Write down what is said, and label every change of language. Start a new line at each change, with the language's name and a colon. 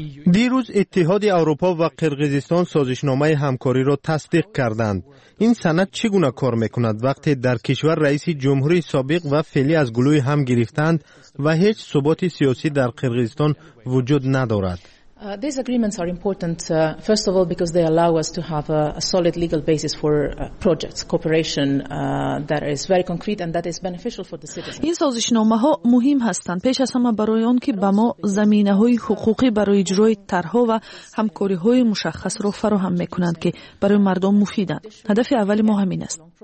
Persian: دیروز اتحاد اروپا و قرقیزستان سازشنامه همکاری را تصدیق کردند. این سند چگونه کار میکند وقتی در کشور رئیس جمهوری سابق و فعلی از گلوی هم گرفتند و هیچ ثبات سیاسی در قرقیزستان وجود ندارد؟
English: These agreements are important first of all because they allow us to have a solid legal basis for projects cooperation that is very concrete and that is beneficial for the citizens.
Persian: این سازشنامه‌ها مهم هستند، پیش از همه برای آن که به ما زمینه‌های حقوقی برای اجرای طرح‌ها و همکاری‌های مشخص را فراهم می‌کنند که برای مردم مفیدند. هدف اول ما همین است.